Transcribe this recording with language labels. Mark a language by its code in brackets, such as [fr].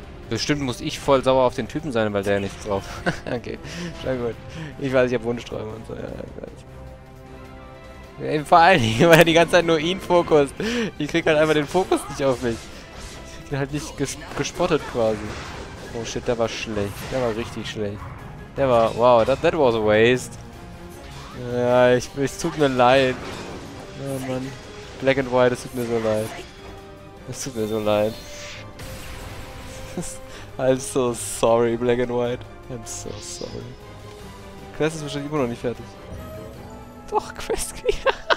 [de] Bestimmt muss ich voll sauer auf den Typen sein, weil der nichts drauf. Okay, schon gut. Ich weiß, ich habe Wunschträume und so. Ja, ja, gleich. Ey, vor allen Dingen, weil er die ganze Zeit nur ihn fokust. Ich krieg halt einfach den Fokus nicht auf mich. Ich krieg halt nicht gespottet quasi. Oh shit, der war schlecht. Der war richtig schlecht. Der war, [en] wow, that was a waste. [de] Ja, ich tut mir leid. Oh man. Black and White, es tut mir so leid. Es tut mir so leid. [en] I'm so sorry, Black and White. I'm so sorry. [de] Quest ist wahrscheinlich immer noch nicht fertig. Doch, Quest clear.